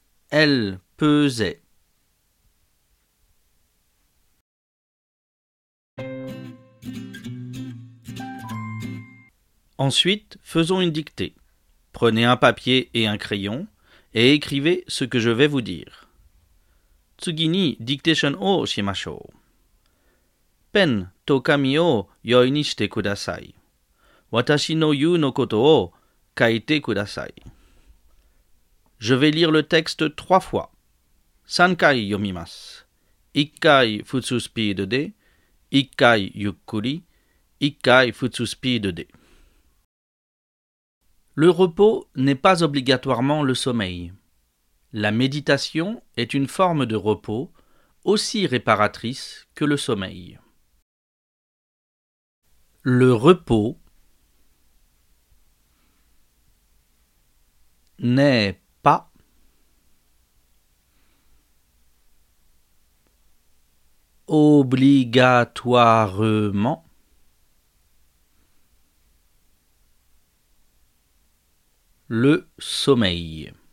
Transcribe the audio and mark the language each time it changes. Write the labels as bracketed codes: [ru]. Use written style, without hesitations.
[fr] Elle pesait. Ensuite, faisons une dictée. Prenez un papier et un crayon et écrivez ce que je vais vous dire. [ja] 次にディクテーションをしましょう。ペンと紙を用意にしてください。私の言うのことを書いてください。 [fr] Je vais lire le texte trois fois. [ja] 三回読みます。一回普通スピードで、一回ゆっくり、一回普通スピードで。 [fr] Le repos n'est pas obligatoirement le sommeil. La méditation est une forme de repos aussi réparatrice que le sommeil. Le repos n'est pas obligatoirement le sommeil.